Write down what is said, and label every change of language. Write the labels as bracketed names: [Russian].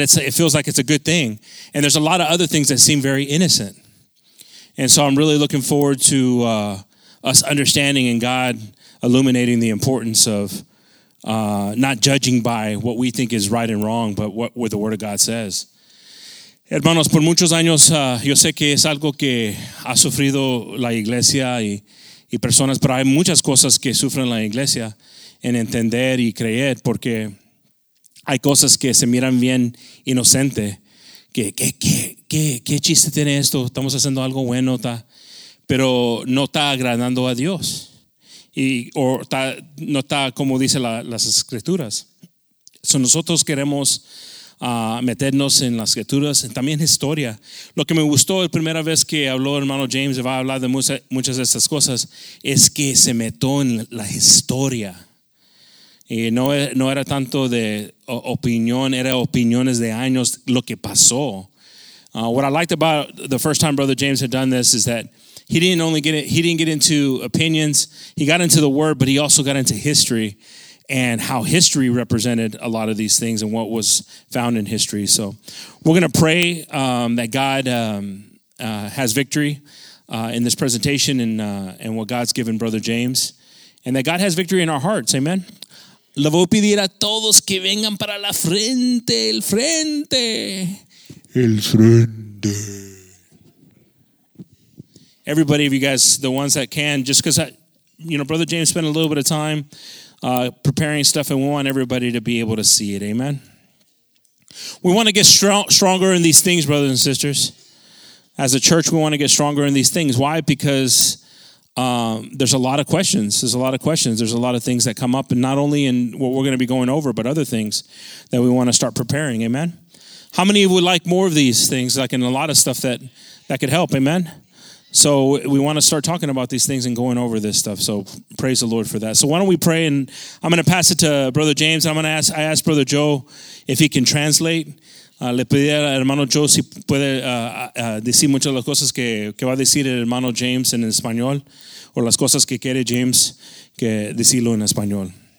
[English] It feels like it's a good thing, and there's a lot of other things that seem very innocent. And so I'm really looking forward to us understanding and God illuminating the importance of not judging by what we think is right and wrong, but what the Word of God says. [Spanish] Hermanos, por muchos años, yo sé que es algo que ha sufrido la iglesia y personas, pero hay muchas cosas que sufren la iglesia en entender y creer, porque hay cosas que se miran bien inocente, que chiste tiene esto, estamos haciendo algo bueno, pero no está agradando a Dios. No está como dice las escrituras. So nosotros queremos meternos en las escrituras, en también historia. Lo que me gustó la primera vez que habló el hermano James, va a hablar de muchas de estas cosas, es que se metió en la historia. Y no era tanto de opinión, era opiniones de años, lo que pasó. [English] What I liked about the first time Brother James had done this is that he didn't get into opinions. He got into the word, but he also got into history and how history represented a lot of these things and what was found in history. So we're going to pray that God has victory in this presentation and what God's given Brother James, and that God has victory in our hearts. Amen. [Spanish] Le voy a pedir a todos que vengan para la frente, el frente. El frente. [English] Everybody, if you guys, the ones that can, just because, you know, Brother James spent a little bit of time preparing stuff, and we want everybody to be able to see it. Amen. We want to get stronger in these things, brothers and sisters. As a church, we want to get stronger in these things. Why? Because there's a lot of questions. There's a lot of questions. There's a lot of things that come up, and not only in what we're going to be going over, but other things that we want to start preparing. Amen. How many of you would like more of these things, like in a lot of stuff that could help? Amen. So we want to start talking about these things and going over this stuff. So praise the Lord for that. So why don't we pray, and I'm going to pass it to Brother James. I asked Brother Joe if he can translate. [Spanish] Le pedí al hermano Joe si puede decir muchas de las cosas que va a decir el hermano James en español, o las cosas que quiere James que decirlo en español.